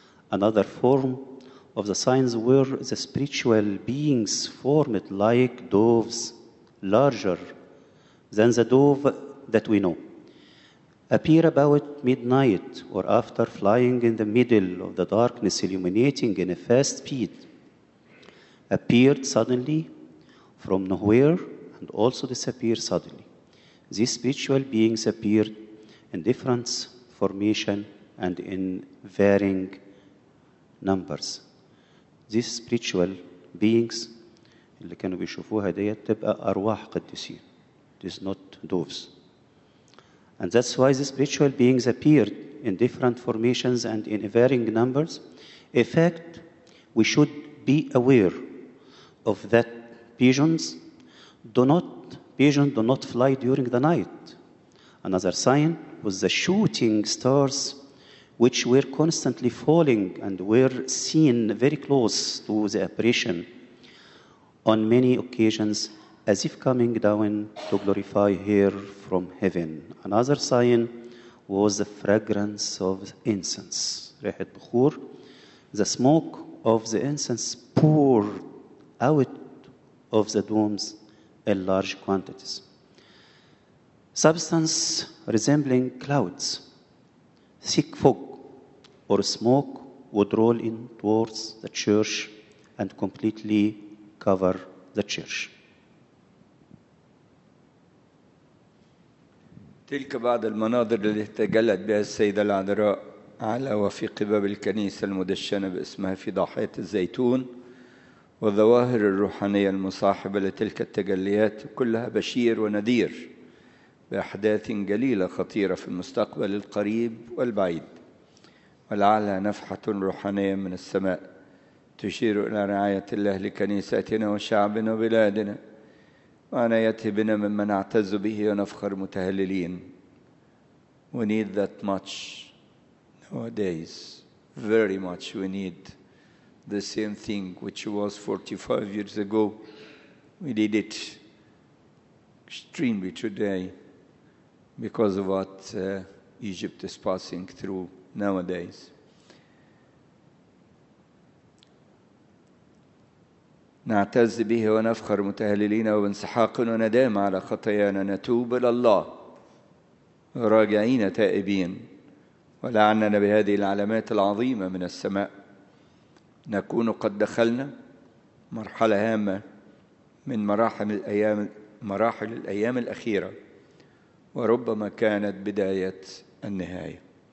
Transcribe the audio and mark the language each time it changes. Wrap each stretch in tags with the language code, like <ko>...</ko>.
<en>Another form of the signs were the spiritual beings formed like doves, larger than the dove that we know, appear about midnight or after flying in the middle of the darkness, illuminating in a fast speed, appeared suddenly from nowhere and also disappeared suddenly. These spiritual beings appeared in different formation and in varying numbers. These spiritual beings</en> <ar>اللي كانوا بيشوفوها ديت تبقى أرواح قديسين.</ar> <en>These not doves. And that's why the spiritual beings appeared in different formations and in varying numbers. A fact we should be aware of, that pigeons do not fly during the night. Another sign was the shooting stars, which were constantly falling and were seen very close to the apparition on many occasions, as if coming down to glorify her from heaven. Another sign was the fragrance of incense, Rehet Bukhur. The smoke of the incense poured out of the domes in large quantities. Substance resembling clouds, thick fog or smoke would roll in towards the church and completely cover the church.</en> <ar>تلك بعض المناظر التي تجلت بها السيدة العذراء على وفي قباب الكنيسة المدشنة باسمها في ضاحية الزيتون، والظواهر الروحانية المصاحبة لتلك التجليات كلها بشير ونذير بأحداث جليلة خطيرة في المستقبل القريب والبعيد، ولعلها نفحة روحانية من السماء تشير إلى رعاية الله لكنيستنا وشعبنا وبلادنا وعنايته بنا ممن نعتز به ونفخر متهللين.</ar> <en>We need that much nowadays, very much we need the same thing which was 45 years ago. We need it extremely today because of what Egypt is passing through nowadays.</en> <ar>نعتز به ونفخر متهللين وبانسحاق وندام على خطايانا نتوب إلى الله راجعين تائبين، ولعلنا بهذه العلامات العظيمة من السماء نكون قد دخلنا مرحلة هامة من مراحل الأيام الأخيرة، وربما كانت بداية النهاية.</ar>